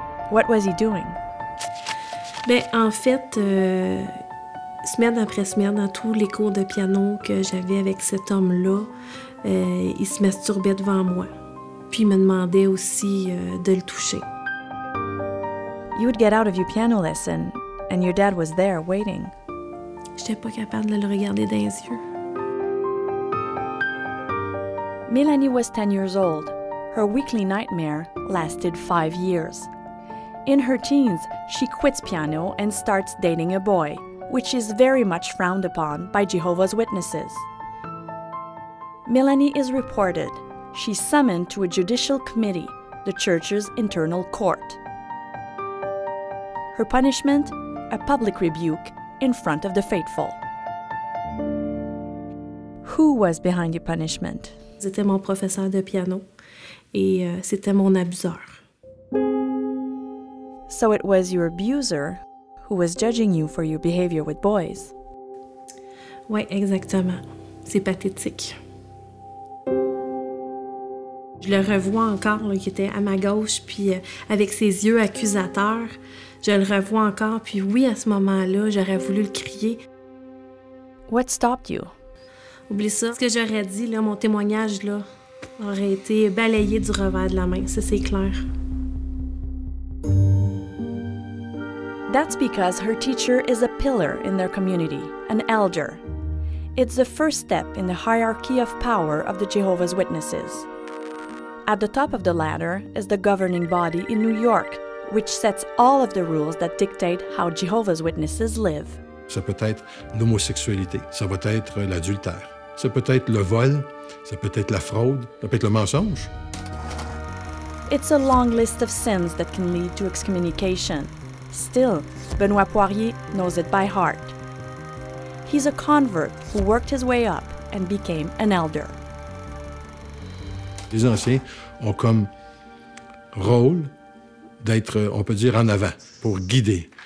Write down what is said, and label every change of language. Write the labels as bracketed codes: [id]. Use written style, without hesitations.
[en] What was he doing? [fr] Bien, en fait, semaine après semaine, dans tous les cours de piano que j'avais avec cet homme-là, il se masturbait devant moi. Puis il me demandait aussi de le toucher. [en] You would get out of your piano lesson, and your dad was there waiting. [fr] J'étais pas capable de le regarder dans les yeux. [en] Mélanie was 10 years old. Her weekly nightmare lasted 5 years. In her teens, she quits piano and starts dating a boy, which is very much frowned upon by Jehovah's Witnesses. Mélanie is reported. She's summoned to a judicial committee, the church's internal court. Her punishment? A public rebuke in front of the faithful. Who was behind your punishment? [fr] C'était mon professeur de piano et c'était mon abuseur. [en] So it was your abuser who was judging you for your behavior with boys. [fr] Ouais, exactement. C'est pathétique. Je le revois encore, là, qui était à ma gauche, puis avec ses yeux accusateurs. Je le revois encore, puis oui, à ce moment-là, j'aurais voulu le crier. [en] What stopped you? [fr] Oublie ça. Ce que j'aurais dit, là, mon témoignage, là, aurait été balayé du revers de la main. Ça, c'est clair. [en] That's because her teacher is a pillar in their community, an elder. It's the first step in the hierarchy of power of the Jehovah's Witnesses. At the top of the ladder is the governing body in New York, which sets all of the rules that dictate how Jehovah's Witnesses live. [fr] Ça peut être l'homosexualité, ça va être l'adultère, ça peut être le vol, ça peut être la fraude, ça peut être le mensonge. [en] It's a long list of sins that can lead to excommunication. Still, Benoît Poirier knows it by heart. He's a convert who worked his way up and became an elder. [fr] Les anciens ont comme rôle d'être, on peut dire, en avant, pour guider.